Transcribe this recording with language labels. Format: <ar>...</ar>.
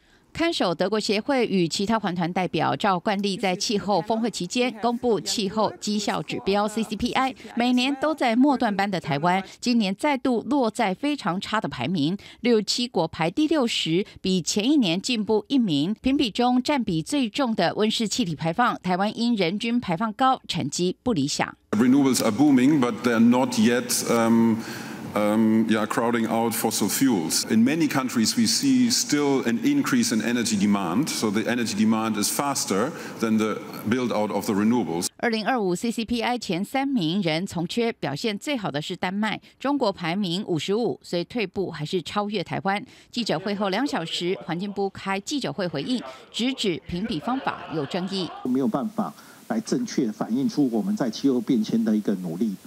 <zh>看守德国协会与其他环团代表照惯例在气候峰会期间公布气候绩效指标 CCPI， 每年都在末段班的台湾今年再度落在非常差的排名，67国排第60，比前一年进步1名。评比中占比最重的温室气体排放，台湾因人均排放高，成绩不理想。</zh> <en>Renewables are booming but they're not yet crowding out fossil fuels. In many countries, we see still an increase in energy demand, so the energy demand is faster than the build out of the renewables.</en> <zh>2025 CCPI 前3名仍从缺，表现最好的是丹麦，中国排名55，虽退步还是超越台湾。记者会后2小时，环境部开记者会回应，直指评比方法有争议，没有办法来正确反映出我们在气候变迁的一个努力。</zh>